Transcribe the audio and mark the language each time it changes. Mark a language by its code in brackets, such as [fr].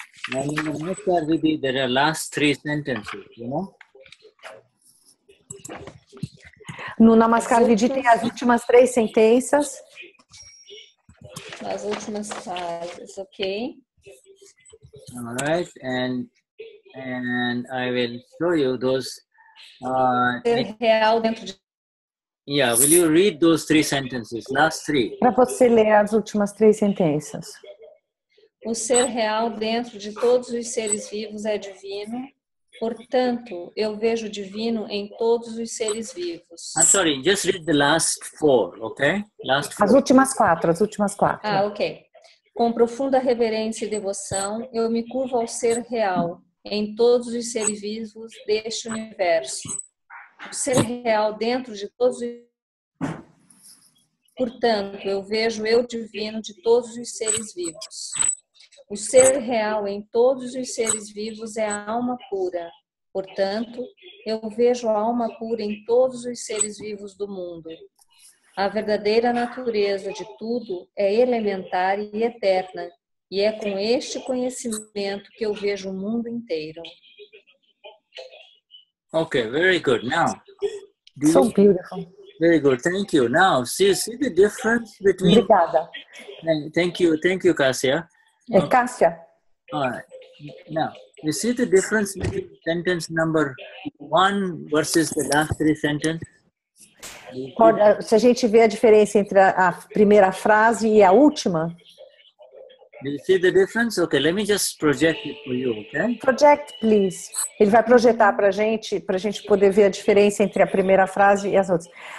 [en] Now in the next Vidhi, there are last three sentences, you know? [pt] No Namaskar Vidhi tem as últimas três sentenças. As últimas frases, ok. [en] All right, and I will show you those. [pt] Real dentro de... [en] Yeah, will you read those three sentences, last three? [pt] Para você ler as últimas três sentenças. O ser real dentro de todos os seres vivos é divino. Portanto, eu vejo divino em todos os seres vivos. [en] I'm sorry, just read the last four, okay? Last four. [pt] As últimas quatro. Ah, ok. Com profunda reverência e devoção, eu me curvo ao ser real em todos os seres vivos deste universo. O ser real dentro de todos os... Portanto, eu vejo eu divino de todos os seres vivos. O ser real em todos os seres vivos é a alma pura. Portanto, eu vejo a alma pura em todos os seres vivos do mundo. A verdadeira natureza de tudo é elementar e eterna. E é com este conhecimento que eu vejo o mundo inteiro. [en] Ok, very good. Now, so beautiful. Very good, thank you. Now, see the difference between... [pt] Obrigada. [en] Thank you, Cássia. [pt] É Cássia. [en] All right. Now, you see the difference between sentence number one versus the last three sentences? [pt] Se a gente vê a diferença entre a primeira frase e a última. [en] Do you see the difference? Okay, let me just project it for you, okay? Project, please. [pt] Ele vai projetar pra gente poder ver a diferença entre a primeira frase e as outras.